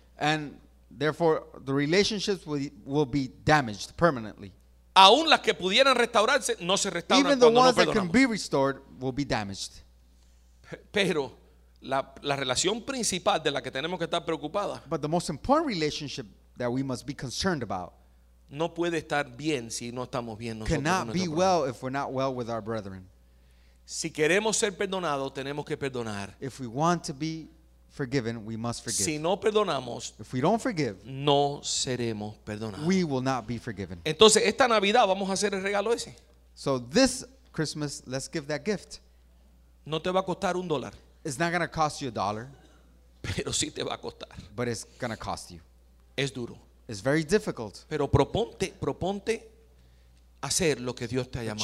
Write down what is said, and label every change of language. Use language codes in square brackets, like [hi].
[en] And therefore, the relationships will be damaged permanently. [es] Aún las que pudieran restaurarse no se restauran. [en] Even the [es] cuando [en] ones [es] no [en] that can be restored will be damaged. [es] Pero la relación principal de la que tenemos que estar preocupada. [en] But the most important relationship that we must be concerned about. [es] No puede estar bien si no estamos bien nosotros. [en] Cannot be well if we're not well with our brethren. [es] Si queremos ser perdonados, tenemos que perdonar. [en] If we want to be forgiven, we must forgive. [es] Si no perdonamos, [en] if we don't forgive, [es] no seremos perdonados. [en] We will not be forgiven. [es] Entonces, esta Navidad vamos a hacer el regalo ese. [en] So this Christmas, let's give that gift. [es] No te va a costar un dólar. [en] It's not going to cost you a dollar. [es] Pero sí te va a costar. [en] But it's going to cost you. [es] Es duro. [en] It's very difficult. [es] Pero proponte hacer lo que Dios te ha llamado.